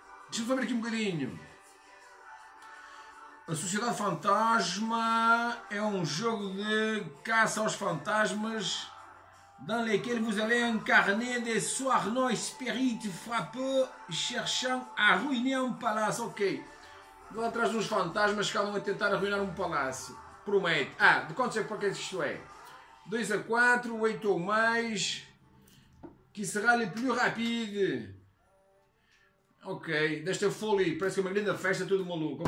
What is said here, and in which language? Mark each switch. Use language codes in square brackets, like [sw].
[pt] Deixa-me ver aqui um bocadinho. A Sociedade Fantasma é um jogo de caça aos fantasmas. [fr] Dans lequel vous allez incarner des sournois spirites frappeurs cherchant à ruiner un palace. Ok. [pt] Vão atrás dos fantasmas que andam a tentar arruinar um palácio. Promete. Ah, de quantos é que isto é? 2 a 4, 8 ou mais. [fr] Qui sera le plus rapide? [pt] Ok, desta folie, parece que é uma grande festa, tudo maluco.